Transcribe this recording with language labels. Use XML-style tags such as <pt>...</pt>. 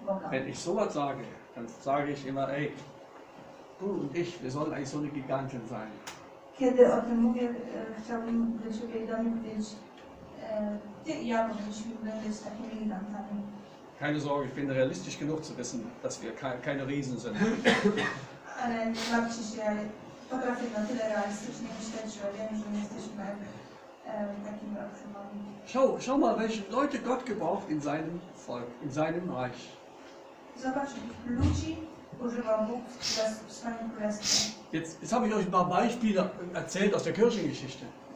<de>Wenn ich sowas sage, dann sage ich immer, ey, du und ich, wir sollen eigentlich so eine Giganten sein.</de> <pl>Kiedy o tym mówię, chciałbym do Ciebie i do mnie powiedzieć, Ty i ja powinniśmy być takimi gigantami.</pl> <de>Keine Sorge, ich bin realistisch genug zu wissen, dass wir keine Riesen sind.</de> <pl>Ale nie martwcie się, ja potrafię na tyle realistycznie myśleć, że wiem, że nie jesteśmy takimi olbrzymami.</pl> <de>Schau mal, welche Leute Gott gebraucht in seinem Volk, in seinem Reich.</de> <pl>Zobacz, ludzi używał Bóg w swoim królestwie.</pl> <de>Jetzt habe ich euch ein paar Beispiele erzählt aus der Kirchengeschichte.</de>